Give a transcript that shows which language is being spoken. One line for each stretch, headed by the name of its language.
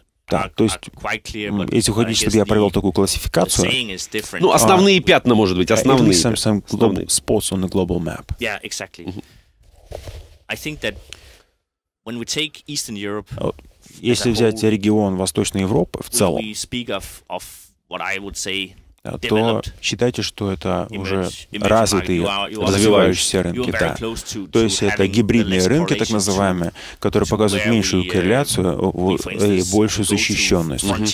Russian: Да, то есть, если хотите, чтобы я провел такую классификацию, ну, основные пятна, может быть, основные.
English: Some spots on the global map. Yeah, exactly. I think that when we take Eastern Europe,
Russian: если взять регион Восточной Европы в целом,
English: we speak of what I would say
Russian: то считайте, что это уже развитые, развивающиеся рынки. Да. То есть это гибридные рынки, так называемые, которые показывают меньшую корреляцию и большую защищенность.